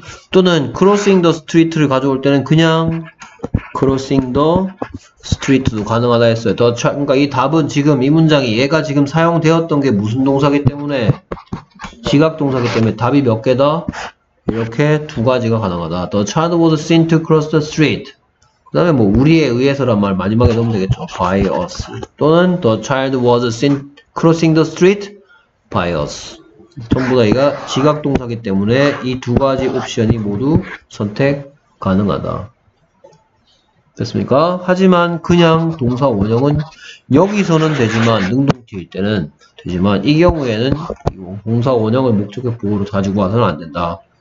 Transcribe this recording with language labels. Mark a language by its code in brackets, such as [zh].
[ko] 또는 [en] crossing the street [ko] 를 가져올 때는 그냥 crossing the street도 가능하다 했어요. 더 차, 그러니까 이 답은 지금 이 문장이 얘가 지금 사용되었던 게 무슨 동사기 때문에 지각 동사기 때문에 답이 몇 개다? 이렇게 두 가지가 가능하다. [en] The child was seen to cross the street. [ko] 그 다음에 뭐 우리에 의해서란 말 마지막에 넣으면 되겠죠. [en] By us. [ko] 또는 [en] The child was seen crossing the street by us. [ko] 전부 다 얘가 지각 동사기 때문에 이두 가지 옵션이 모두 선택 가능하다. 됐습니까? 하지만 그냥 동사 원형은 여기서는 되지만 능동태일 때는 되지만 이 경우에는 동사 원형을 목적의 보호로 가지고 와서는 안 된다.